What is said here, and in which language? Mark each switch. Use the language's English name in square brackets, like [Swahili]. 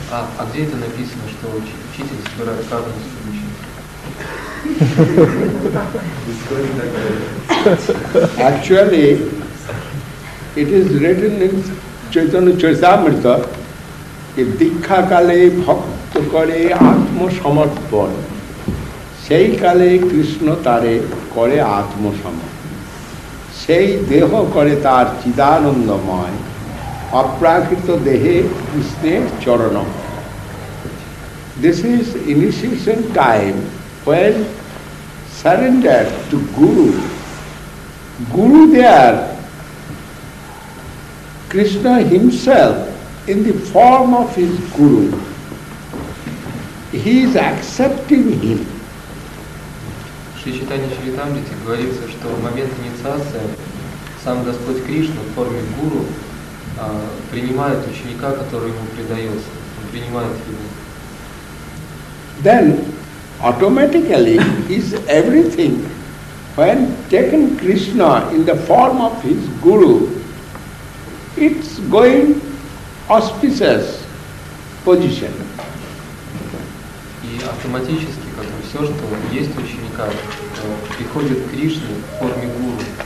[Russian] А где это написано, что учитель собирает карму своего ученика? [English] It's going like that. Actually, it is written in Chaitanya Charitamrita, [Bangla] if dikha kale bhakti করে আত্মসমর্পণ সেই কালে কৃষ্ণ তারে করে আত্মসমর্পণ সেই দেহ করে তার চিদানন্দময় অপ্রাকৃত দেহে কৃষ্ণের চরণ। [English] This is initiation time when surrender to guru guru there Krishna himself in the form of his guru. He is accepting him. [Russian] В Шри Чайтанья Чаритамрите говорится, что в момент инициации сам Господь Кришна в форме гуру принимает ученика, который ему предается, принимает его. [English] Then automatically is everything when taken Krishna in the form of his guru, it's going auspicious position. [Russian] И автоматически, как бы, все, что есть у ученика, приходит к Кришне в форме гуру.